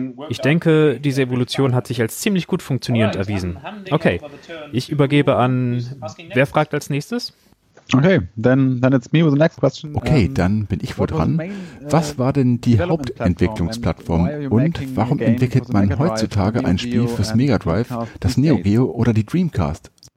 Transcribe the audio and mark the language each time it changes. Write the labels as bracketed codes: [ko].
[de] Ich denke, diese Evolution hat sich als ziemlich gut funktionierend erwiesen. Okay, ich übergebe an, wer fragt als nächstes? [en] Okay, then it's me with the next question. [de] Okay, dann bin ich wohl dran. Was war denn die Hauptentwicklungsplattform und warum entwickelt man heutzutage ein Spiel fürs Mega Drive, das Neo Geo oder die Dreamcast?